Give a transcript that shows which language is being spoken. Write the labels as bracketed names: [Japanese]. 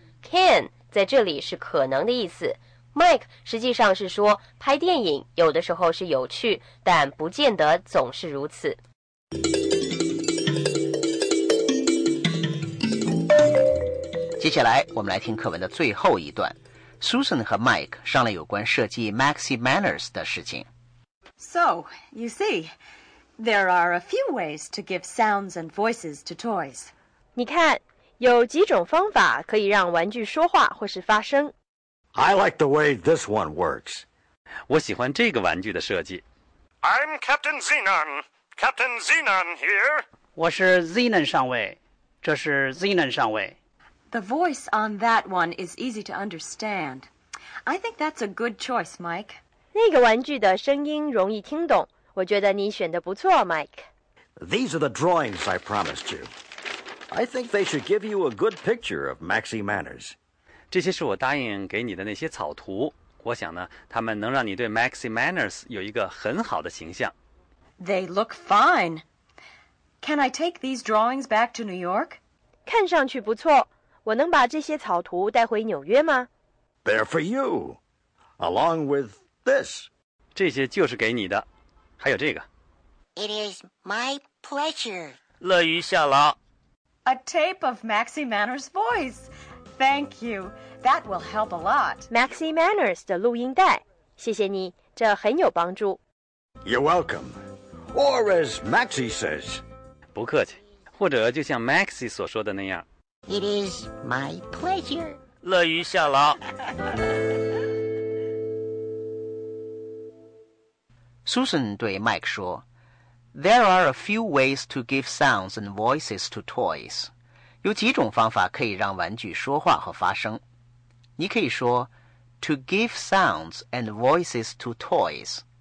[Chinese] can 在这里是可能的意思， Mike 实际上是说拍电影有的时候是有趣，但不见得总是如此。接下来我们来听课文的最后一段。 Susan 和 Mike 商量有关设计 Maxie Manners 的事情。 [English] So you seeThere are a few ways to give sounds and voices to toys. [Chinese] 你看，有几种方法可以让玩具说话或是发声。 [English] I like the way this one works. [Chinese] 我喜欢这个玩具的设计。 [English] I'm Captain Zenon. Captain Zenon here. [Chinese] 我是 Zenon 上尉，这是 Zenon 上尉。 [English] The voice on that one is easy to understand. I think that's a good choice, Mike. [Chinese] 那个玩具的声音容易听懂。我觉得你选的不错 ，Mike。 [English] These are the drawings I promised you. I think they should give you a good picture of Maxie Manners. [Chinese] 这些是我答应给你的那些草图，我想呢，他们能让你对 Maxie Manners 有一个很好的形象。 [English] They look fine. Can I take these drawings back to New York? [Chinese] 看上去不错，我能把这些草图带回纽约吗 [English] ？They're for you, along with this. [Chinese] 这些就是给你的。还有这个。 [English] It is my pleasure. [Chinese] 乐于效劳。 [English] A tape of Maxie Manners' voice. Thank you. That will help a lot. [Chinese] Maxie Manners 的录音带，谢谢你，这很有帮助。 [English] You're welcome. Or as Maxie says. [Chinese] 不客气，或者就像 Maxie 所说的那样。 [English] It is my pleasure. [Chinese] 乐于效劳。 [English] Susan [Chinese] 对 Mike 说 [English] There are a few ways to give sounds and voices to toys. [Chinese] 有几种方法可以让玩具说话和发声。你可以说 [English] To give sounds and voices to toys.